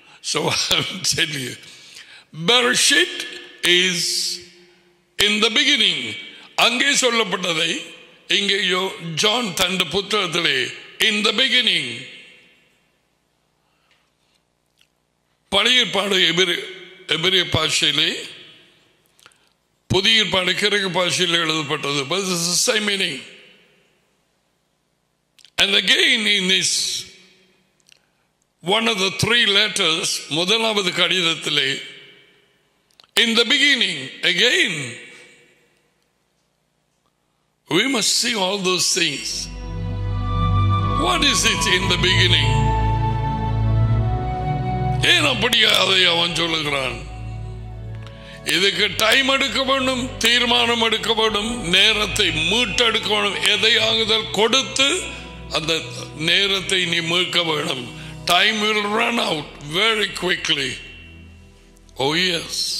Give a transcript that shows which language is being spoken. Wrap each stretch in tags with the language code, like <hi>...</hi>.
<ta>So சரி, பெரஷித்</ta> <en>is in the beginning,</en> <ta>அங்கே சொல்லப்பட்டதை இங்கேயோ ஜான் தன் புத்தகத்திலே</ta> <en>In the beginning.</en> <ta>பழைய பாடு எபிரிய பாஷையிலே, புதிய பாடு கிரேக்க பாஷையில் எழுதப்பட்டது.</ta> <en>But this is the same meaning. And again in this, one of the three letters,</en> <ta>முதலாவது கடிதத்திலே,</ta> <en>in the beginning, again, we must see all those things. What is it in the beginning?</en> <ta>ஏன் அப்படியா அதை அவன் சொல்லுகிறான்? இதுக்கு time எடுக்க வேண்டும், தீர்மானம் எடுக்க வேண்டும், நேரத்தை மீட்டெடுக்க வேண்டும். எதையாகுதல் கொடுத்து அந்த நேரத்தை நீ மீட்க வேண்டும்.</ta> <en>Time will run out very quickly. Oh yes.</en>